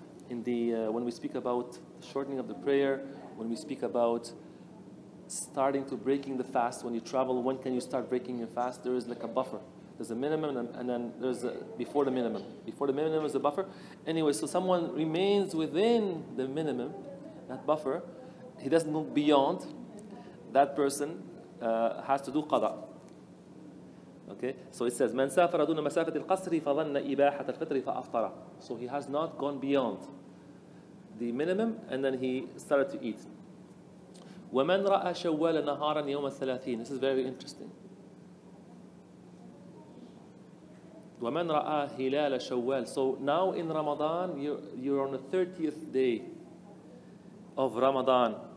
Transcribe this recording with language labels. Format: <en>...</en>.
<en>In the when we speak about the shortening of the prayer, when we speak about starting to breaking the fast, when you travel, when can you start breaking your fast? There is like a buffer. There's a minimum, and then there's a before the minimum. Before the minimum is the buffer. Anyway, so someone remains within the minimum, that buffer, he doesn't go beyond, that person has to do qada. Okay, so it says,</en> <ar>مَنْ سَافَرَ دُونَ مَسَافَةِ الْقَصْرِ فَظَنَّ إِبَاحَةَ الْفِطْرِ فَأَفْطَرَ.</ar> <en>So he has not gone beyond the minimum, and then he started to eat.</en> <ar>وَمَنْ رَأَى شَوَّالَ نَهَارًا يَوْمَ الثَّلَاثِينَ.</ar> <en>This is very interesting.</en> <ar>وَمَنْ رَأَى هِلَالَ شَوَّالَ.</ar> <en>So now in Ramadan, you're on the 30th day of Ramadan.</en>